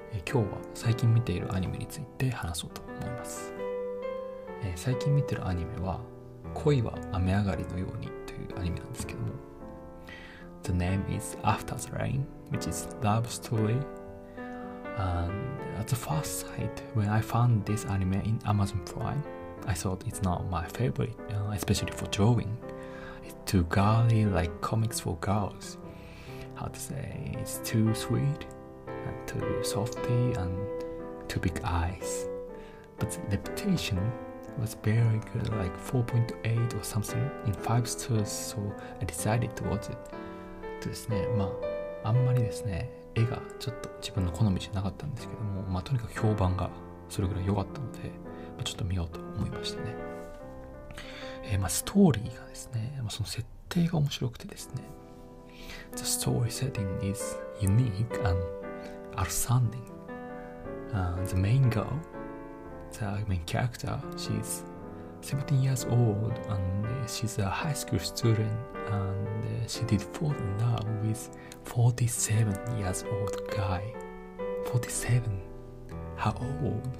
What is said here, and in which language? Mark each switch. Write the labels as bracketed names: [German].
[Japanese] 今日は最近見ているアニメについて話そうと思います。最近見てるアニメは恋は雨上がりのようにというアニメなんですけども。 [English] The name is After the Rain, which is love story. And at the first sight, when I found this anime in Amazon Prime, I thought it's not my favorite, especially for drawing. It's too girly, like comics for girls. How to say, it's too sweet, and too softy, and too big eyes. But the reputation was very good, like 4.8 or something in 5 stars, so I decided to watch it. [Japanese] ですね、まあ、あんまりですね絵がちょっと自分の好みじゃなかったんですけども、まあ、とにかく評判がそれぐらい良かったので、まあ、ちょっと見ようと思いましたね。まあ、ストーリーがですね、まあ、その設定が面白くてですね、 [English] The story setting is unique and outstanding、the main girl, the main character, she's 17 years old and she's a high school student and she did fall in love with 47 years old guy. 47? How old?